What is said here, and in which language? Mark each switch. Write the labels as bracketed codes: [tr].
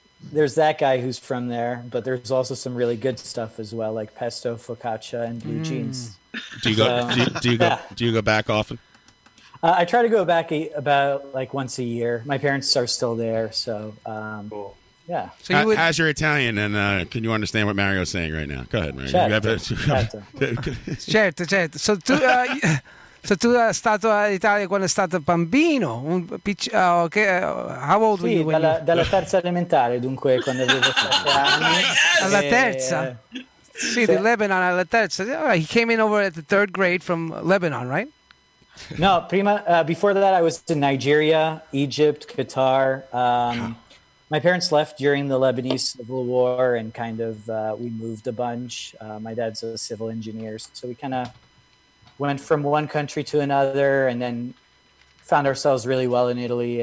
[en] There's that guy who's from there, but there's also some really good stuff as well, like pesto, focaccia, and blue jeans. Do you go back often? I try to go back about like once a year. My parents are still there, so cool. Yeah. So how's your Italian, and can you understand what Mario's saying right now? Go ahead, Mario. [it] Certo. So tu stato in Italia quando è stato bambino, un piccolo, [en] how old were you? [it] Dalla terza elementare, dunque, quando avevo 7 anni. Alla terza? Sì, di Lebanon, alla terza. [en] He came in over at the third grade from Lebanon, right? No, before that I was in Nigeria, Egypt, Qatar. My parents left during the Lebanese Civil War and kind of we moved a bunch. My dad's a civil engineer, so we kind of went from one country to another, and then found ourselves really well in Italy.